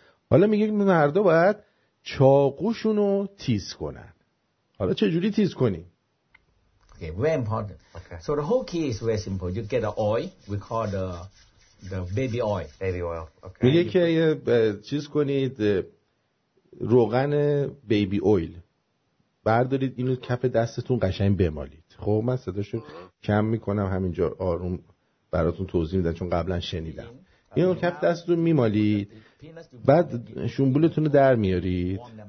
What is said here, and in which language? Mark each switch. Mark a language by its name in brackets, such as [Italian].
[Persian] حالا میگه مردا باید چاقوشون رو تیز کنن. حالا چه جوری تیز کنیم؟ [English] Okay, very important. Okay. So the whole key is very simple. You get the oil, we call the baby oil. Baby oil. Okay. [Persian] میگه که چیز کنید، روغن بیبی اویل. بردارید اینو کف دستتون قشنگ بمالید. خب من صداشو کم میکنم همینجا آروم براتون توضیح میدم چون قبلا شنیدم. اینو کف دستتون میمالید. بعد شنبولتون رو در میارید.